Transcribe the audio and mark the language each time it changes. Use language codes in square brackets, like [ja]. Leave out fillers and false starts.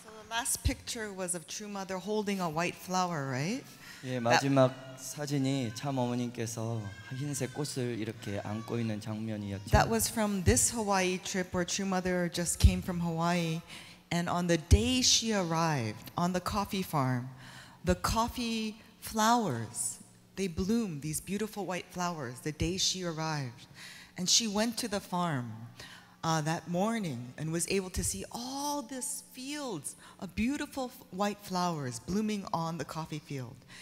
[en] last picture was of True Mother holding a white flower, right? [ko] 예, 마지막 사진이 참 어머님께서 흰색 꽃을 이렇게 안고 있는 장면이었죠. [en] That was from this Hawaii trip where True Mother just came from Hawaii. And on the day she arrived on the coffee farm, the coffee flowers, they bloomed, these beautiful white flowers, the day she arrived. And she went to the farm that morning and was able to see all these fields of beautiful white flowers blooming on the coffee field.